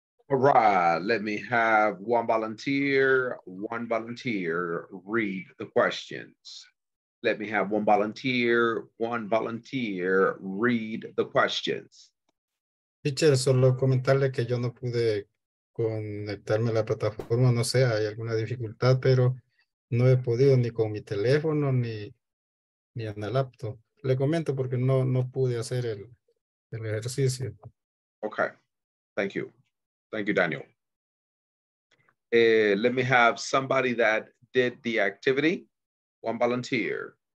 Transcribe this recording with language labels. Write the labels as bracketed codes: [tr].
[en] All right, let me have one volunteer, read the questions. Let me have one volunteer, read the questions. [es] Teacher, solo comentarle que yo no pude conectarme a la plataforma, no sé, hay alguna dificultad, pero no he podido ni con mi teléfono ni en la laptop. Le comento porque no pude hacer el ejercicio. [en] Okay, thank you. Thank you, Daniel. Let me have somebody that did the activity. One volunteer.